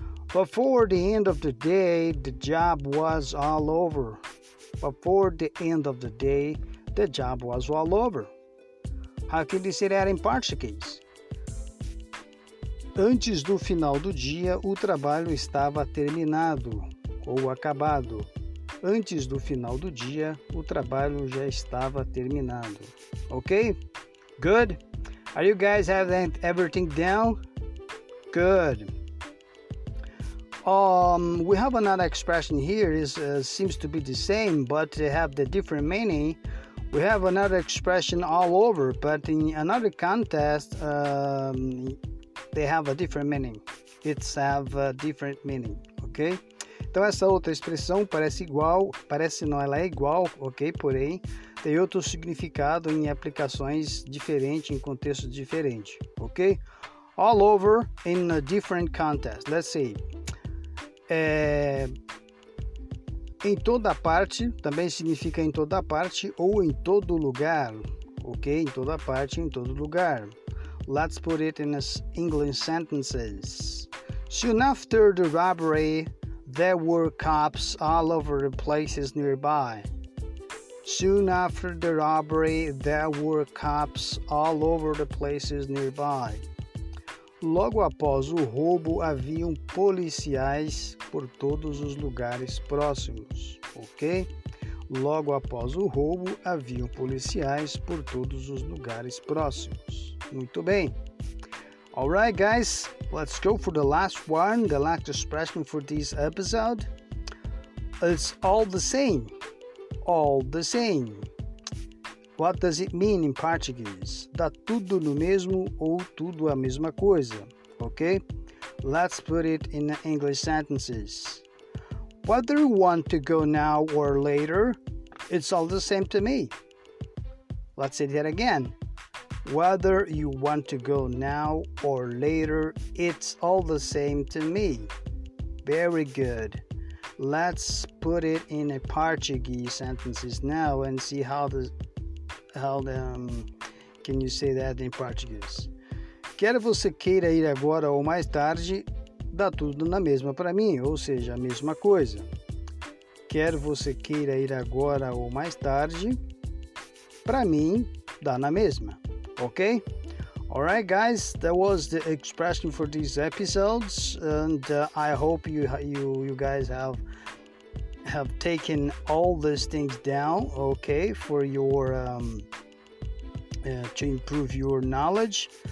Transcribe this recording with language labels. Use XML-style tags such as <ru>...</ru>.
<en>Before the end of the day, the job was all over. Before the end of the day, the job was all over. How can you say that in Portuguese?</en> <pt>Antes do final do dia, o trabalho estava terminado ou acabado. Antes do final do dia, o trabalho já estava terminado.</pt> <en>Ok? Good? Are you guys having everything down? Good. We have another expression here. It seems to be the same, but they have the different meaning. We have another expression all over, but in another context, they have a different meaning. It's have a different meaning, ok?</en> <pt>Então, essa outra expressão parece igual, parece não, ela é igual, ok? Porém, tem outro significado em aplicações diferentes, em contextos diferentes, ok?</pt> <en>All over in a different context. Let's see.</en> <pt>Em toda parte, também significa em toda parte ou em todo lugar, ok? Em toda parte, em todo lugar.</pt> <en>Let's put it in English sentences. Soon after the robbery, there were cops all over the places nearby. Soon after the robbery, there were cops all over the places nearby.</en> <pt>Logo após o roubo, haviam policiais por todos os lugares próximos, ok? Logo após o roubo, haviam policiais por todos os lugares próximos. Muito bem.</pt> <en>Alright, guys, let's go for the last one, the last expression for this episode. It's all the same. All the same. What does it mean in Portuguese?</en> <pt>Tá tudo no mesmo ou tudo a mesma coisa, ok?</pt> <en>Let's put it in English sentences. Whether you want to go now or later, it's all the same to me. Let's say that again. Whether you want to go now or later, it's all the same to me. Very good. Let's put it in a Portuguese sentences now and see how can you say that in Portuguese.</en> <pt>Quer você queira ir agora ou mais tarde, dá tudo na mesma para mim, ou seja, a mesma coisa. Quer você queira ir agora ou mais tarde, para mim, dá na mesma.</pt> <en>Ok? Alright, guys, that was the expression for these episodes, and I hope you guys have taken all these things down, okay, for your to improve your knowledge.</en>